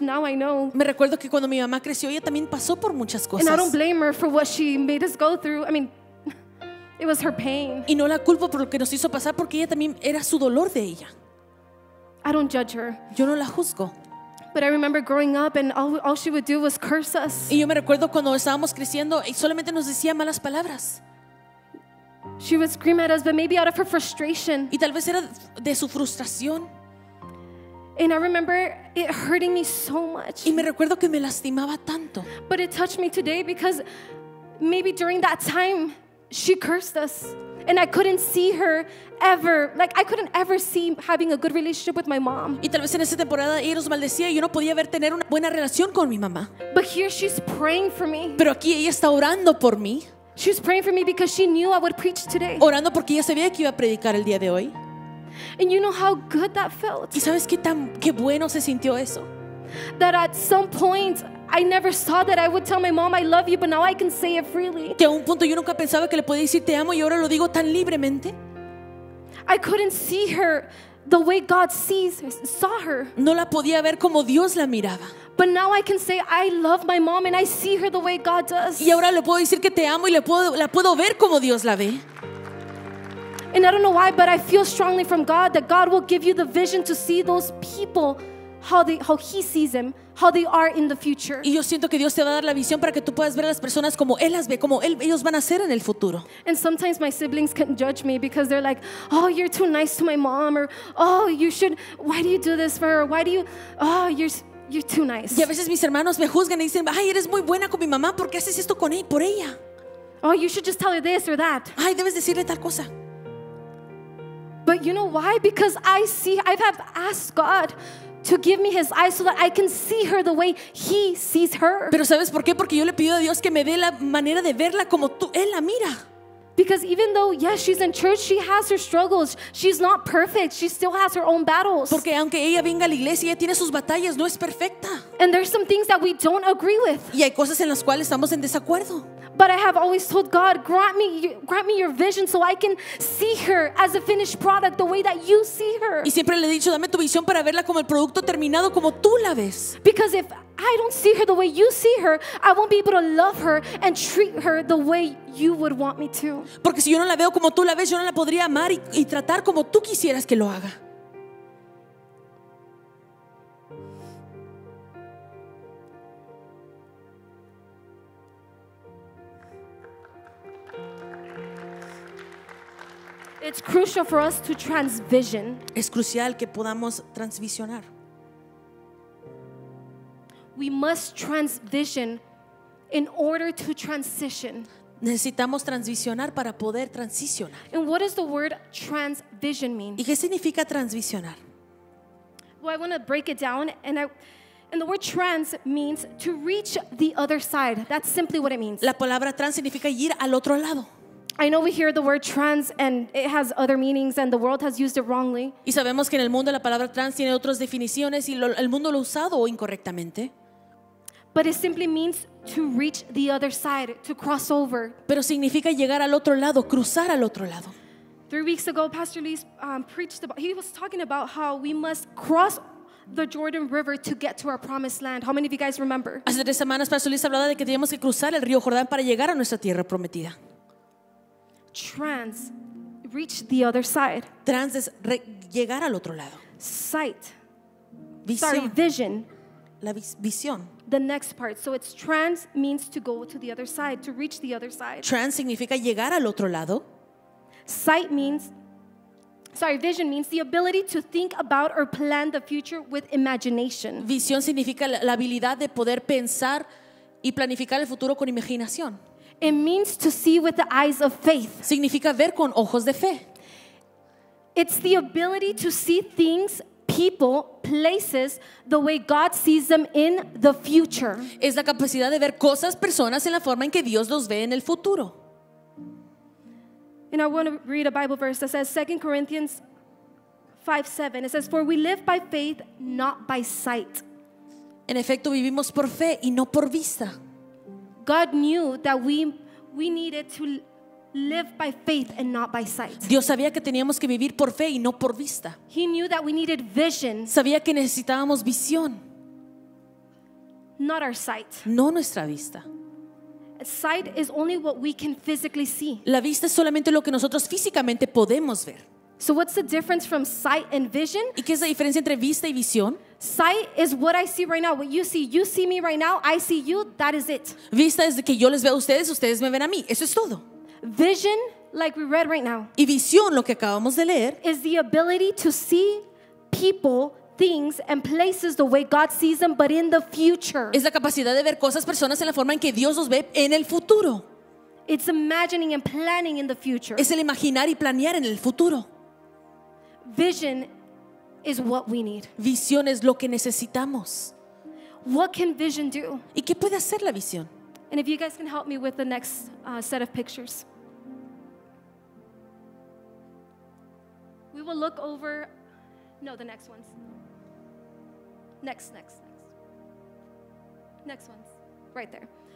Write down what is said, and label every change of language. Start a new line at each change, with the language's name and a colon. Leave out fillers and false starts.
English: Now I know.
Spanish: Me recuerdo que cuando mi mamá creció, ella también pasó por muchas cosas.
English: And I don't blame her for what she made us go through. I mean, it was her pain.
Spanish: Y no la culpo por lo que nos hizo pasar, porque ella también era su dolor de ella.
English: I don't judge her.
Spanish: Yo no la juzgo.
English: But I remember growing up, and all she would do was curse us.
Spanish: Y yo me recuerdo cuando estábamos creciendo, y solamente nos decía malas palabras.
English: She would scream at us, but maybe out of her frustration.
Spanish: Y tal vez era de su frustración.
English: And I remember it hurting me so much.
Spanish: Y me recuerdo que me lastimaba tanto.
English: But it touched me today because maybe during that time she cursed us. And I couldn't see her ever. Like I couldn't ever see having a good relationship with my mom.
Spanish: Y tal vez en esa temporada ella nos maldecía y yo no podía ver tener una buena relación con mi mamá.
English: But here she's praying for me.
Spanish: Pero aquí ella está orando por mí.
English: She was praying for me because she knew I would preach today.
Spanish: Orando porque ella sabía que iba a predicar el día de hoy.
English: And you know how good that felt.
Spanish: ¿Y sabes qué bueno se sintió eso?
English: That at some point I never saw that I would tell my mom I love you, but now I can say it freely.
Spanish: Que a un punto yo nunca pensaba que le podía decir te amo y ahora lo digo tan libremente.
English: I couldn't see her the way God sees saw her.
Spanish: No la podía ver como Dios la miraba.
English: But now I can say I love my mom and I see her the way God does.
Spanish: Y ahora le puedo decir que te amo y la puedo ver como Dios la ve.
English: And I don't know why, but I feel strongly from God that God will give you the vision to see those people how He sees them, how they are in the future.
Spanish: Y yo siento que Dios te va a dar la visión para que tú puedas ver a las personas como Él las ve, como ellos van a ser en el futuro.
English: And sometimes my siblings can judge me because they're like, oh, you're too nice to my mom, or oh, why do you do this for her? Why do you, oh, you're too nice.
Spanish: Y a veces mis hermanos me juzgan y dicen, ay, eres muy buena con mi mamá, ¿por qué haces esto con ella, por ella?
English: Oh, you should just tell her this or that.
Spanish: Ay, debes decirle tal cosa.
English: But you know why? Because I have asked God to give me His eyes so that I can see her the way He sees her.
Spanish: Pero ¿sabes por qué? Porque yo le pido a Dios que me dé la manera de verla como tú Él la mira.
English: Because even though yes, she's in church, she has her struggles. She's not perfect. She still has her own battles.
Spanish: Porque aunque ella venga a la iglesia, ella tiene sus batallas, no es perfecta.
English: And there's some things that we don't agree with.
Spanish: Y hay cosas en las cuales estamos en desacuerdo.
English: But I have always told God, grant me your vision so I can see her as a finished product the way that you see her.
Spanish: Y siempre le he dicho, dame tu visión para verla como el producto terminado como tú la ves.
English: Because if I don't see her the way you see her, I won't be able to love her and treat her the way you would want me to.
Spanish: Porque si yo no la veo como tú la ves, yo no la podría amar y tratar como tú quisieras que lo haga.
English: It's crucial for us to transvision.
Spanish: Es crucial que podamos transvisionar.
English: We must transvision in order to transition.
Spanish: Necesitamos transicionar para poder transicionar.
English: And what does the word transvision mean?
Spanish: ¿Y qué significa transicionar?
English: Well, I want to break it down, and the word trans means to reach the other side. That's simply what it means.
Spanish: La palabra trans significa ir al otro lado.
English: I know we hear the word trans and it has other meanings and the world has used it wrongly.
Spanish: Y sabemos que en el mundo la palabra trans tiene otras definiciones y el mundo lo ha usado incorrectamente.
English: But it simply means to reach the other side, to cross over.
Spanish: Pero significa llegar al otro lado, cruzar al otro lado.
English: 3 weeks ago, Pastor Luis preached about, he was talking about how we must cross the Jordan River to get to our promised land. How many of you guys remember?
Spanish: Hace 3 semanas, Pastor Luis hablaba de que teníamos que cruzar el río Jordán para llegar a nuestra tierra prometida.
English: Trans, reach the other side.
Spanish: Trans es llegar al otro lado.
English: Sight.
Spanish: Visión.
English: Sorry, vision.
Spanish: La visión.
English: The next part. So it's trans means to go to the other side, to reach the other side.
Spanish: Trans significa llegar al otro lado.
English: Sight means, sorry, vision means the ability to think about or plan the future with imagination.
Spanish: Visión significa la habilidad de poder pensar y planificar el futuro con imaginación.
English: It means to see with the eyes of faith.
Spanish: Significa ver con ojos de fe.
English: It's the ability to see things, people, places, the way God sees them in the future.
Spanish: Es la capacidad de ver cosas, personas en la forma en que Dios los ve en el futuro.
English: And I want to read a Bible verse that says 2 Corinthians 5:7. It says, "For we live by faith, not by sight."
Spanish: En efecto, vivimos por fe y no por vista.
English: God knew that we needed to live by faith and not by sight.
Spanish: Dios sabía que teníamos que vivir por fe y no por vista.
English: He knew that we needed vision.
Spanish: Sabía que necesitábamos visión.
English: Not our sight.
Spanish: No nuestra vista.
English: Sight is only what we can physically see.
Spanish: La vista es solamente lo que nosotros físicamente podemos ver.
English: So what's the difference from sight and vision?
Spanish: ¿Y qué es la diferencia entre vista y visión?
English: Sight is what I see right now. What you see me right now, I see you, that is it.
Spanish: Vista es de que yo les veo a ustedes, ustedes me ven a mí. Eso es todo.
English: Vision, like we read right now.
Spanish: Y visión, lo que acabamos de leer,
English: is the ability to see people, things and places the way God sees them, but in the future.
Spanish: Es la capacidad de ver cosas, personas en la forma en que Dios los ve en el futuro.
English: It's imagining and planning in the future.
Spanish: Es el imaginar y planear en el futuro.
English: Vision is what we need.
Spanish: Visión es lo que necesitamos.
English: What can vision do?
Spanish: ¿Y qué puede hacer la visión?
English: And if you guys can help me with the next set of pictures. We will look over, no, the next ones. Next ones, right there.